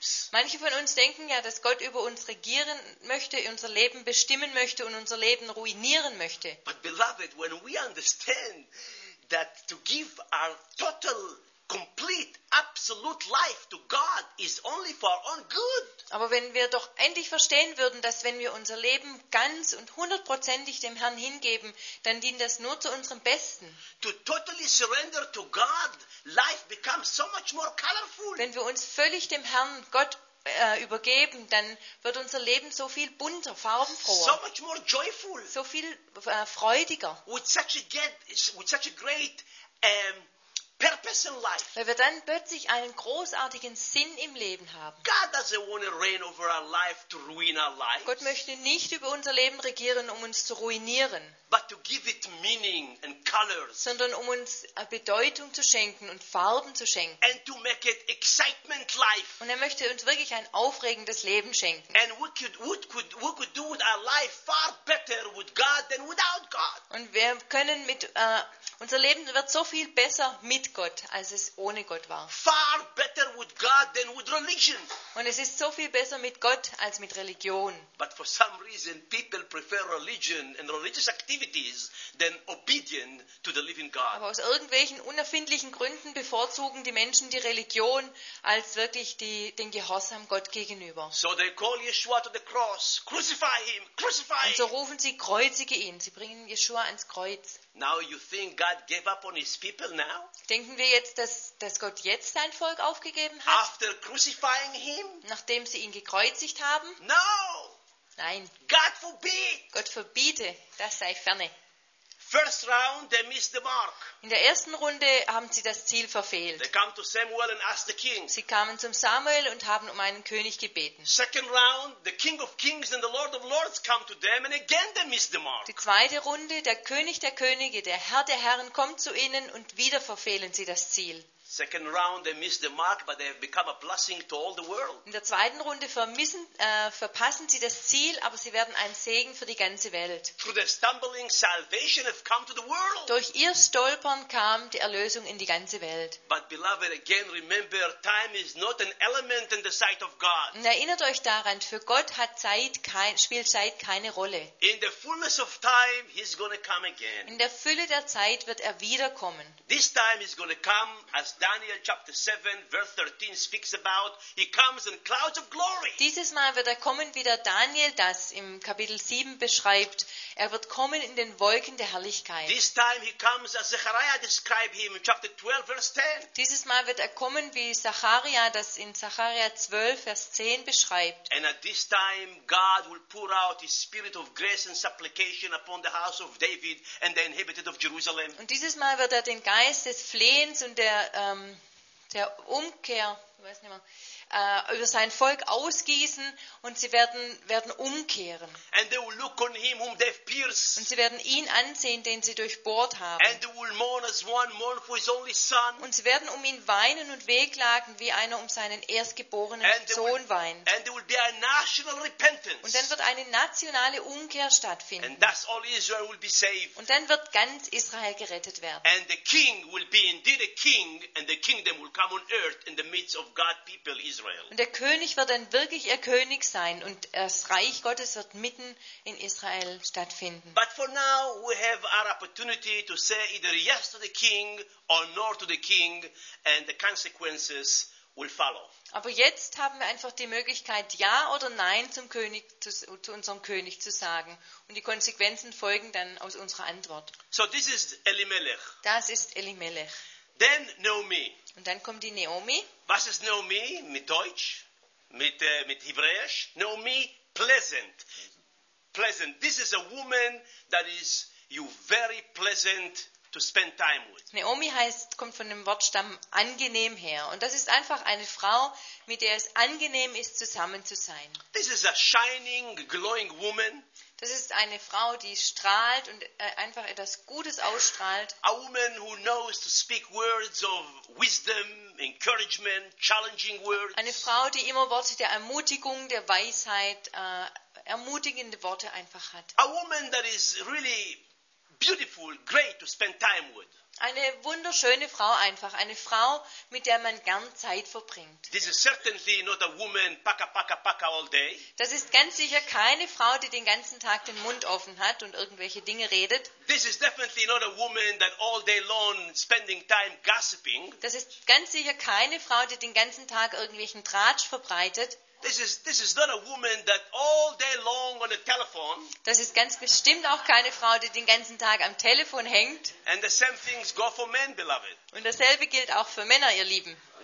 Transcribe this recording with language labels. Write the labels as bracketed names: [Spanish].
[German] Manche von uns denken ja, dass Gott über uns regieren möchte, unser Leben bestimmen möchte und unser Leben ruinieren möchte. [English] But beloved, when we understand that to give our total complete, absolute life to God is only for our own good. [German] Aber wenn wir doch endlich verstehen würden, dass wenn wir unser Leben ganz und hundertprozentig dem Herrn hingeben, dann dient das nur zu unserem Besten. [English] To totally surrender to God, life becomes so much more colorful. [German] Wenn wir uns völlig dem Herrn Gott übergeben, dann wird unser Leben so viel bunter, farbenfroher, [English] so much more joyful, [German] so viel freudiger. [English] With such a great purpose in life. [German] Weil wir dann plötzlich einen großartigen Sinn im Leben haben. [English] God doesn't want to reign over our life to ruin our lives. [German] Gott möchte nicht über unser Leben regieren, um uns zu ruinieren. [English] But to give it meaning and colors. [German] Sondern um uns eine Bedeutung zu schenken und Farben zu schenken. [English] And to make it excitement life. [German] Und er möchte uns wirklich ein aufregendes Leben schenken. [English] And we could do with our life far better with God than without God. [German] Und wir können mit unser Leben wird so viel besser mit mit Gott, als es ohne Gott war. [English] Far better with God than with religion. [German] Und es ist so viel besser mit Gott als mit Religion. [English] But for some reason, people prefer religion and religious activities than obedient to the living God. [German] Aber aus irgendwelchen unerfindlichen Gründen bevorzugen die Menschen die Religion als wirklich den Gehorsam Gott gegenüber. [English] So they call Yeshua to the cross, crucify him, crucify. [German] Und so rufen sie, kreuzige ihn. Sie bringen Yeshua ans Kreuz. [English] Now you think God gave up on his people now? [German] Denken wir jetzt, dass Gott jetzt sein Volk aufgegeben hat? [English] After crucifying him? [German] Nachdem sie ihn gekreuzigt haben? [English] No! [German] Nein. [English] God forbid! [German] Gott verbiete, das sei ferne. [English] First round, they missed the mark. [German] In der ersten Runde haben sie das Ziel verfehlt. [English] They come to Samuel and asked the king. [German] Sie kamen zum Samuel und haben um einen König gebeten. [English] Second round, the King of Kings and the Lord of Lords come to them and again they missed the mark. [German] Die zweite Runde, der König der Könige, der Herr der Herren kommt zu ihnen und wieder verfehlen sie das Ziel. [English] Second round, they missed the mark, but they have become a blessing to all the world. [German] In der zweiten Runde verpassen sie das Ziel, aber sie werden ein Segen für die ganze Welt. [English] Through their stumbling, salvation has come to the world. [German] Durch ihr Stolpern kam die Erlösung in die ganze Welt. [English] But beloved, again remember, time is not an element in the sight of God. [German] Und erinnert euch daran, für Gott hat spielt Zeit keine Rolle. [English] In the fullness of time, he's going to come again. [German] In der Fülle der Zeit wird er wiederkommen. [English] This time is going to come as Daniel chapter 7 verse 13 speaks about. He comes in clouds of glory. [German] Dieses Mal wird er kommen, wie der Daniel das im Kapitel 7 beschreibt. Er wird kommen in den Wolken der Herrlichkeit. [English] This time he comes as Zechariah described him in chapter 12 verse 10. [German] Dieses Mal wird er kommen, wie Zechariah das in Zechariah 12 vers 10 beschreibt. [English] And at this time God will pour out his spirit of grace and supplication upon the house of David and the inhabitants of Jerusalem. [German] Und dieses Mal wird er den Geist des Flehens und der Umkehr, ich weiß nicht mehr, über sein Volk ausgießen und sie werden umkehren. [English] And they will look on him whom they've pierced. [German] Und sie werden ihn ansehen, den sie durchbohrt haben. [English] And they will mourn as one mourn for his only son. [German] Und sie werden um ihn weinen und wehklagen, wie einer um seinen erstgeborenen Sohn weint. [English] And there will be a national repentance. [German] Und dann wird eine nationale Umkehr stattfinden. [English] And thus all Israel will be saved. [German] Und dann wird ganz Israel gerettet werden. [English] And the king will be indeed a king and the kingdom will come on earth in the midst of God's people. [German] Und der König wird dann wirklich ihr König sein und das Reich Gottes wird mitten in Israel stattfinden. [English] But for now we have our opportunity to say either yes to the king or no to the king and the consequences will follow. [German] Aber jetzt haben wir einfach die Möglichkeit, ja oder nein zum König, zu unserem König zu sagen. Und die Konsequenzen folgen dann aus unserer Antwort. [English] So this is Elimelech. [German] Das ist Elimelech. [English] Then Naomi. [German] Und dann kommt die Naomi. Was ist Naomi mit Deutsch? Mit Hebräisch? [English] Naomi, pleasant. Pleasant. This is a woman that is you very pleasant to spend time with. [German] Naomi heißt, kommt von dem Wortstamm angenehm her. Und das ist einfach eine Frau, mit der es angenehm ist, zusammen zu sein. [English] This is a shining, glowing woman. [German] Das ist eine Frau, die strahlt und einfach etwas Gutes ausstrahlt. [English] A woman who knows to speak words of wisdom, encouragement, challenging words. [German] Eine Frau, die immer Worte der Ermutigung, der Weisheit, ermutigende Worte einfach hat. [English] A woman that is really beautiful, great to spend time with. [German] Eine wunderschöne Frau einfach, eine Frau, mit der man gern Zeit verbringt. [English] This is certainly not a woman paka paka paka all day. [German] Das ist ganz sicher keine Frau, die den ganzen Tag den Mund offen hat und irgendwelche Dinge redet. [English] This is definitely not a woman that all day long spending time gossiping. [German] Das ist ganz sicher keine Frau, die den ganzen Tag irgendwelchen Tratsch verbreitet. [English] This is not a woman that all day long on the telephone. [German] Das ist ganz bestimmt auch keine Frau, die den ganzen Tag am Telefon hängt. [English] And the same things go for men, beloved. [German] Und dasselbe gilt auch für Männer, ihr Lieben.